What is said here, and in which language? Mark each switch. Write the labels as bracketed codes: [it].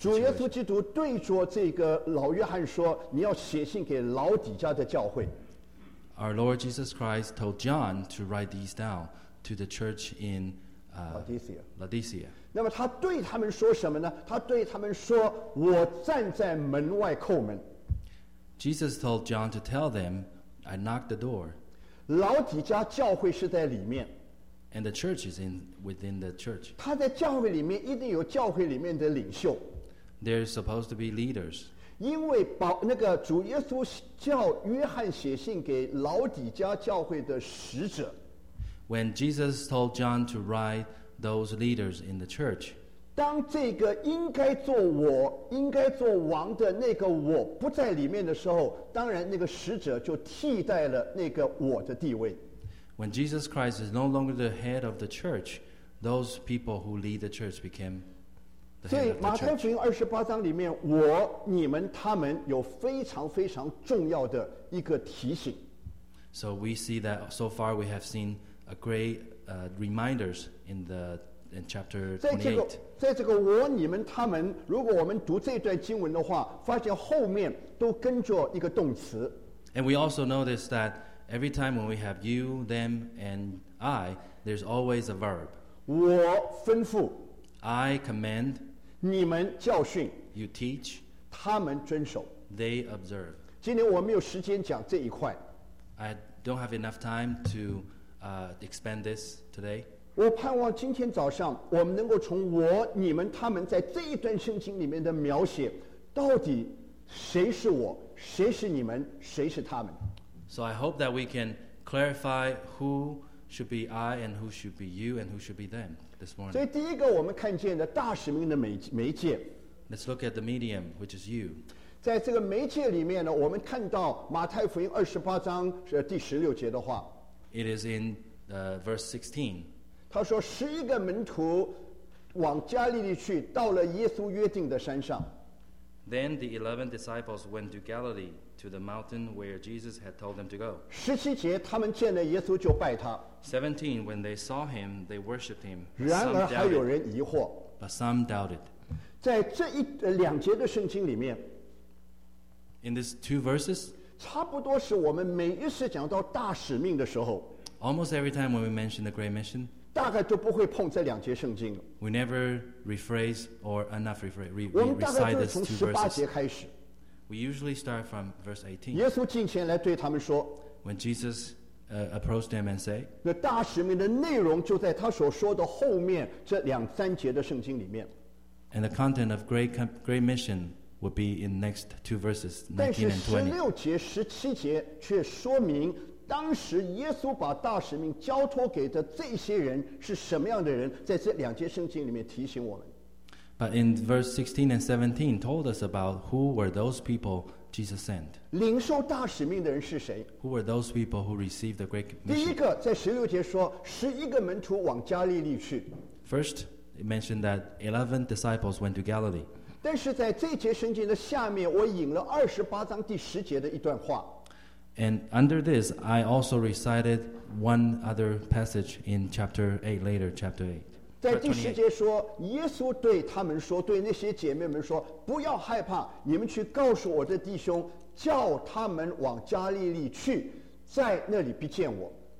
[zh] 主耶稣基督对着这个老约翰说，你要写信给老底家的教会。 [en] Our Lord Jesus Christ told John to write these down to the church in Laodicea. [zh] 那么他对他们说什么呢？他对他们说，我站在门外叩门。 [en] Jesus told John to tell them, I knock the door. [zh] 老底家教会是在里面。 [en] And the church is within the church. [zh] 他在教会里面一定有教会里面的领袖。 [en] They're supposed to be leaders. [zh] 因为那个主耶稣叫约翰写信给老底家教会的使者。 [en] When Jesus told John to write those leaders in the church, [zh] 当这个应该做我、应该做王的那个我不在里面的时候，当然那个使者就替代了那个我的地位。 [en] When Jesus Christ is no longer the head of the church, those people who lead the church became. [zh] 所以马太福音二十八章里面，我、你们、他们有非常非常重要的一个提醒。 [en] So we see that so far we have seen a great reminders in chapter 28. [zh] 在这个我、你们、他们，如果我们读这段经文的话，发现后面都跟着一个动词。 [en] And we also notice that every time when we have you, them, and I, there's always a verb. [zh] 我吩咐。 [en] I command. [zh] 你们教训。 [en] You teach. [zh] 他们遵守。 [en] They observe. [zh] 今天我没有时间讲这一块。 [en] I don't have enough time to expand this today. [zh] 我盼望今天早上我们能够从我、你们、他们在这一段圣经里面的描写，到底谁是我、谁是你们、谁是他们。 [en] So I hope that we can clarify who should be I and who should be you and who should be them. [zh] 所以第一个我们看见的大使命的媒介。 [en] Let's look at the medium, which is you. [zh] 在这个媒介里面呢，我们看到马太福音二十八章是第十六节的话。 [en] It is in verse 16. [zh] 他说十一个门徒往加利利去，到了耶稣约定的山上。 [en] Then the 11 disciples went to Galilee to the mountain where Jesus had told them to go. [zh] 十七节，他们见了耶稣就拜他。 [en] 17, when they saw him, they worshipped him. [zh] 然而还有人疑惑。 [en] But some doubted. [zh] 在这一两节的圣经里面。 [en] In these two verses. [zh] 差不多是我们每一次讲到大使命的时候。 [en] Almost every time when we mention the great mission. [zh] 大概都不会碰这两节圣经。 [en] We never rephrase or enough rephrase. We recite these two verses. [zh] 我们大概就是从十八节开始。 [en] We usually start from verse 18. [zh] 耶稣近前来对他们说。 [en] When Jesus approached them and say, [zh] 那大使命的内容就在他所说的后面这两三节的圣经里面。 [en] And the content of great mission would be in next two verses, 19 and 20. [zh] 但是十六节、十七节却说明当时耶稣把大使命交托给的这些人是什么样的人，在这两节圣经里面提醒我们。 [en] But in verse 16 and 17 told us about who were those people Jesus sent. [zh] 领受大使命的人是谁？ [en] Who were those people who received the great mission? [zh] 第一个在十六节说，十一个门徒往加利利去。 [en] First, it mentioned that 11 disciples went to Galilee. [zh] 但是在这节圣经的下面，我引了二十八章第十节的一段话。 [en] And under this, I also recited one other passage in chapter 8, later chapter 8. [zh] 在第十节说，耶稣对他们说，对那些姐妹们说，不要害怕，你们去告诉我的弟兄，叫他们往加利利去，在那里必见我。